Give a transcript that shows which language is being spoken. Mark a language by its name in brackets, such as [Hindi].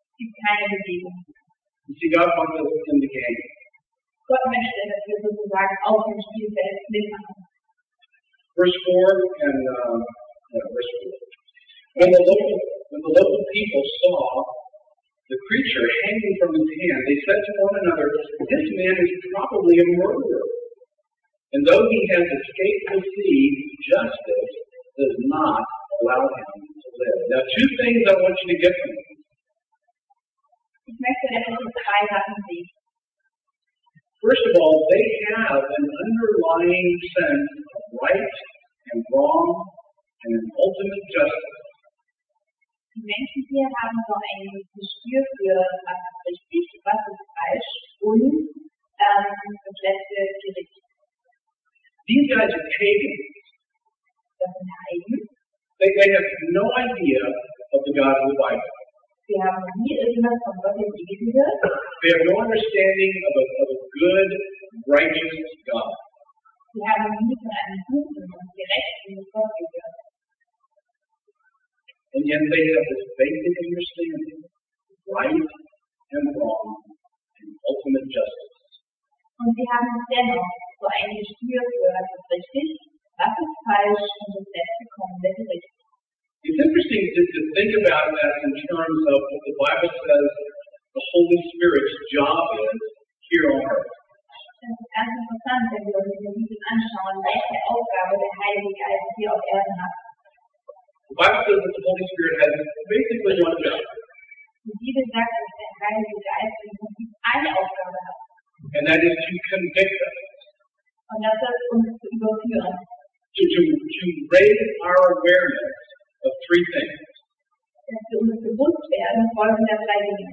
[English] You see, God wants us in the game. [German] God möchte, dass wir sozusagen auf dem Spielfeld mitmachen. [English] Verse 4 and verse 4. When the local people saw the creature hanging from his hand, they said to one another, this man is probably a murderer. And though he has escaped the sea, justice does not allow him to live. Now, two things I want you to get from me. First of all, they have an underlying sense of right and wrong and an ultimate justice. [German] Die Menschen hier haben so ein Gespür für was ist richtig, was ist falsch und das letzte Gericht. [English] These guys are pagans. [German] Das sind Heiden. [English] They have no idea of the God of the Bible. [German] Sie haben nie irgendwas von Gott im Leben gehört. [English] They have no understanding of a good, righteous God. [German] Sie haben nie von einem guten und gerechten Gott gehört. [English] And yet they have this basic understanding of right and wrong and ultimate justice. [German] Und sie haben dennoch so ein Gespür für was ist richtig, was ist falsch und das letzte kommende Gericht. [English] It's interesting to think about that in terms of what the Bible says the Holy Spirit's job is here on earth. [German] Das ist ganz interessant, wenn wir uns in der Bibel anschauen, welche Aufgabe der Heilige Geist hier auf Erden hat. [English] The Bible says that the Holy Spirit has basically one job. [German] Die Bibel sagt, dass der Heilige Geist im Prinzip eine Aufgabe hat. [English] And that is to convict us. [German] Und das ist uns zu überführen. [English] To raise our awareness of three things. [German] Dass wir uns bewusst werden folgender drei Dinge.